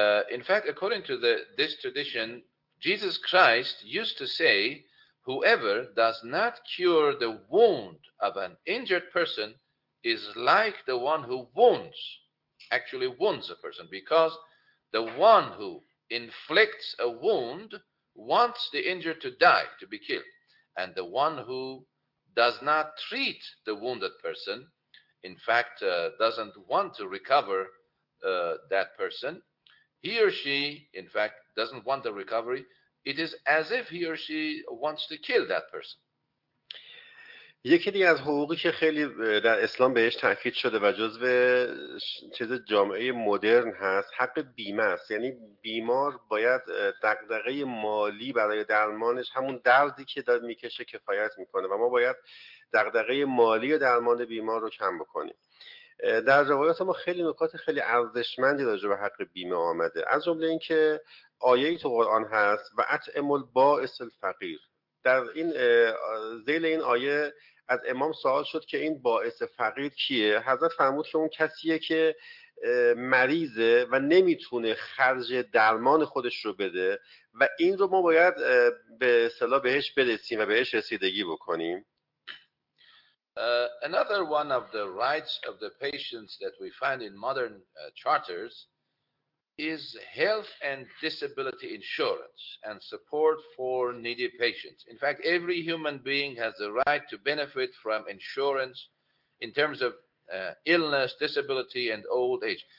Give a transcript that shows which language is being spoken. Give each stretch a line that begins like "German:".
English: In fact, according to this tradition, Jesus Christ used to say, whoever does not cure the wound of an injured person is like the one who wounds a person, because the one who inflicts a wound wants the injured to die, to be killed. And the one who does not treat the wounded person, in fact, doesn't want to recover that person. He or she, in fact, doesn't want the recovery. It is as if he or she wants to kill that person.
Persian: یکی دیگه از حقوقی که خیلی در اسلام بهش تاکید شده و جزء چیز جامعه مدرن هست، حق بیمه است. یعنی بیمار باید دغدغه مالی برای درمانش، همون دردی که داره میکشه، کفایت میکنه و ما باید دغدغه مالی و درمان بیمار رو کم بکنیم. در روایات ما خیلی نکات خیلی ارزشمندی راجع به حق بیمه آمده، از جمله اینکه آیه تو قرآن هست
Arabic: و اطعم البائس الفقیر.
Persian: در این ذیل این آیه از امام سوال شد که این بائس فقیر کیه؟ حضرت فرمود که اون کسیه که مریضه و نمیتونه خرج درمان خودش رو بده و این رو ما باید به اصطلاح بهش برسیم و بهش رسیدگی بکنیم.
English: Another one of the rights of the patients that we find in modern charters is health and disability insurance and support for needy patients. In fact, every human being has the right to benefit from insurance in terms of illness, disability, and old age.